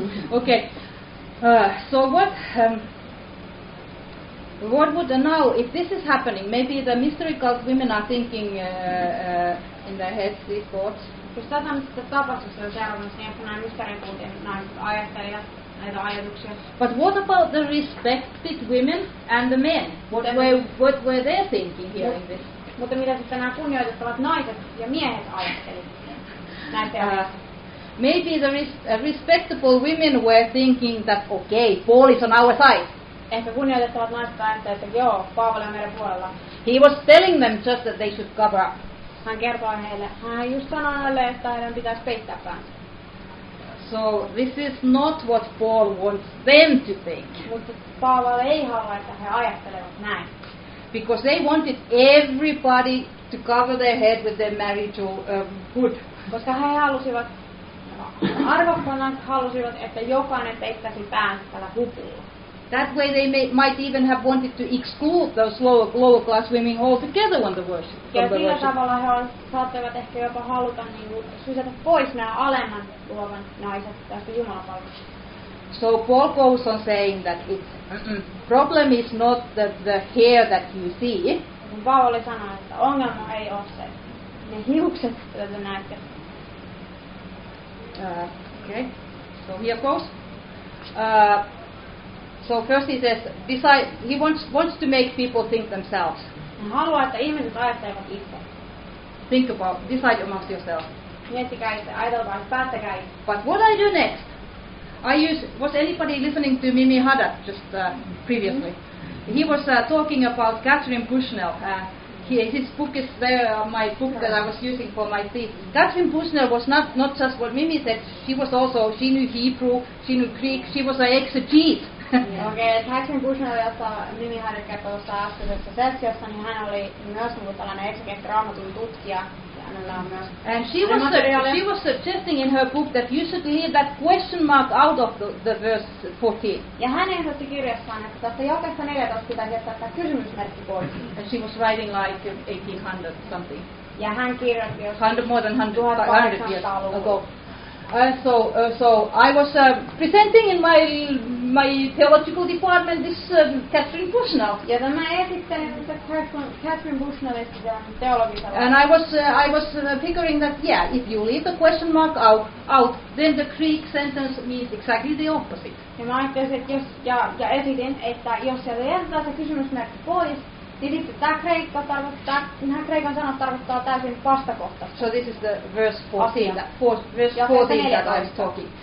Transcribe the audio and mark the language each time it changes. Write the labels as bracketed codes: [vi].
[en] Okay. So what? What would now, if this is happening, maybe the mystery cult women are thinking in their heads these thoughts. [fi] Jos tätä on sitten tapahtunut, jos erotuksia, että nämä mysteerikulttien ajattelijat, näitä ajatuksia. [en] But what about the respected women and the men? What were they thinking here in this? [fi] Mutta mitä sitten nämä kunnioitettavat naiset ja miehet ajattelivat? [en] Maybe the respectable women were thinking that, okay, Paul is on our side. [fi] Ehkä kunnioitettavat naiset ajattelivat, että joo, Paavali on meidän puolella. [en] He was telling them just that they should cover up. [fi] Hän kertoo heille. Hän just sanoi heille, että heidän pitäisi peittää päänsä. [en] So this is not what Paul wants them to think. [fi] Mutta Paavali ei halua, että he ajattelevat näin. [en] Because they wanted everybody to cover their head with their marital hood. [fi] Koska he halusivat, arvokkaat halusivat, että jokainen peittäisi päänsä tällä hupulla. [en] That way they might even have wanted to exclude those lower class women altogether on the worship. [fi] Ja sillä tavalla he saattavat ehkä jopa haluta niin sysätä pois nämä alemman luovan naiset tästä Jumalan palveluksesta. [en] So Paul goes on saying that it's problem is not the hair that you see. [fi] Paul sanoo, että ongelma ei ole se, ne hiukset, joita te näette. [en] Okay, so here goes. So first he says, he wants to make people think themselves. [fi] Hän haluaa, että ihmiset ajattelevat itse. [en] Think about, decide amongst yourselves. [fi] Miettikää itse, ajatelkaa, päättäkää itse. [en] But what I do next? Was anybody listening to Mimi Hada just previously? Mm-hmm. He was talking about Catherine Bushnell. His book is there, my book that I was using for my thesis. Catherine Bushnell was not just what Mimi said, she was also, she knew Hebrew, she knew Greek, she was an exegete. Yeah. [fi] Okei, okay, Catherine Bushnell, jota Mimi Hada kertoo tuossa äskeisessä sessiossa, niin hän oli myös tällainen exegete raamatun tutkija. [en] And she was suggesting in her book that you should leave that question mark out of the verse 14. [fi] Ja hän ehdotti kirjassaan, että tästä jakesta 14 pitäisi jättää tämä kysymysmerkki pois. [en] And she was writing like 1800 something. [fi] Ja hän kirjoitti jo [en] 100 more than 100 years ago. So I was presenting in my theological department this Catherine Bushnell. [fi] Ja tämä esittelin tässä Catherine Bushnellista teologisella. [en] And I was figuring that yeah, if you leave the question mark out, then the Greek sentence means exactly the opposite. [fi] Ja mä ajattelin, että ja esitin, että jos siellä jätetään se kysymysmerkki pois, niin sitten tämä kreikan sana tarkoittaa täysin vastakohta. [en] So this is the verse 14, that I was talking.